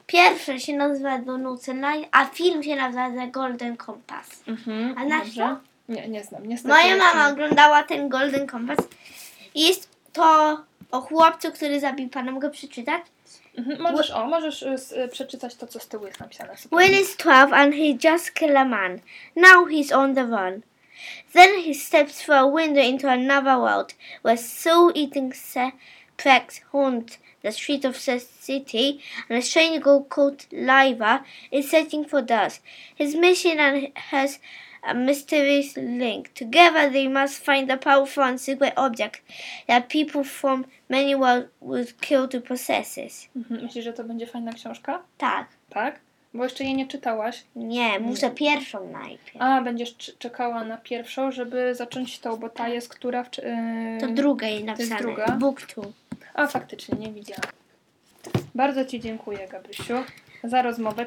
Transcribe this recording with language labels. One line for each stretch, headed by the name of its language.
Polish: Pierwsze się nazywa The Nuts and Lies, a film się nazywa The Golden Compass. Mhm, a znasz to? Nie, nie znam. Niestety moja mama oglądała ten Golden Compass. Jest to o chłopcu, który zabił pana. Mogę przeczytać? Możesz, o, możesz przeczytać to, co z tyłu jest napisane.
English: Will is 12 and he just killed a man. Now he's on the run. Then he steps through a window into another world where soul eating insects haunt the streets of the city and a strange girl called Liva is searching for dust. His mission and has a mysterious link. Together they must find the powerful and secret object that people from many worlds would kill to possess it.
Polish: Myślisz, że to będzie fajna książka? Tak. Tak? Bo jeszcze jej nie czytałaś? Nie, muszę pierwszą najpierw. A, będziesz czekała na pierwszą, żeby zacząć tą, bo ta jest, która... To druga jej napisane. To jest druga.
English: Book two.
Polish: A, faktycznie, nie widziałam. Bardzo ci dziękuję, Gabrysiu, za rozmowę.